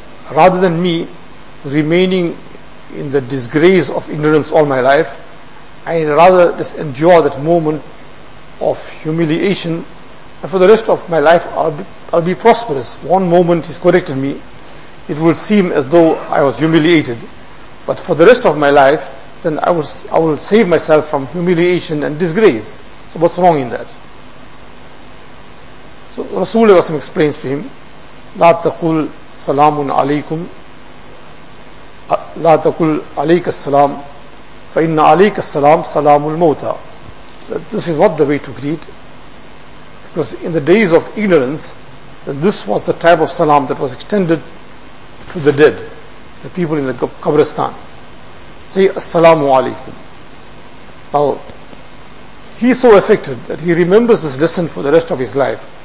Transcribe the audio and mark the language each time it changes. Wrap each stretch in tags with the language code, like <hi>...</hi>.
<en>Rather than me remaining in the disgrace of ignorance all my life, I rather just endure that moment of humiliation, and for the rest of my life I'll be prosperous. One moment he's corrected me, it will seem as though I was humiliated, but for the rest of my life, then I will save myself from humiliation and disgrace. So what's wrong in that? So Rasulullah explains to him,</en> <ar>لا تقول سلام عليكم لا تقول عليك السلام فإن عليك السلام سلام الموتى.</ar> <en>This is not the way to greet, because in the days of ignorance, this was the type of salam that was extended to the dead, the people in the Qabristan. Say, Assalamu alaikum. Now, he's so affected that he remembers this lesson for the rest of his life.</en>